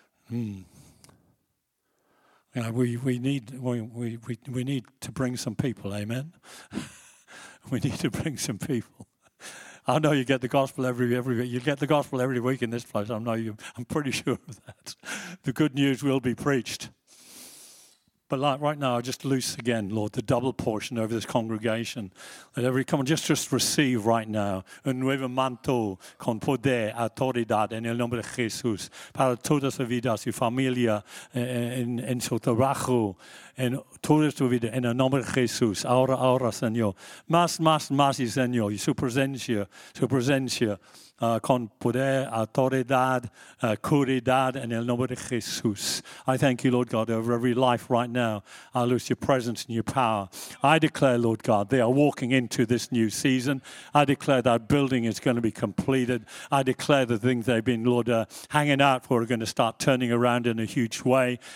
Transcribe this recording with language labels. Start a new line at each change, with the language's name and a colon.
English: You know, we need to bring some people, amen. We need to bring some people. I know you get the gospel every week. You get the gospel every week in this place. I know you. I'm pretty sure of that. The good news will be preached. But like right now, I just loose again, Lord, the double portion over this congregation. Let every come just receive right now.
Spanish: Un nuevo manto con poder, autoridad en el nombre de Jesús para toda su vida, su familia, en su trabajo, en toda su vida, en el nombre de Jesús. Ahora, ahora, Señor. Más, Señor. Su presencia. Con poder, autoridad, curidad, en el nombre de Jesús.
English: I thank you, Lord God, over every life right now. I lose your presence and your power. I declare, Lord God, they are walking into this new season. I declare that building is going to be completed. I declare the things they've been, Lord, hanging out for are going to start turning around in a huge way.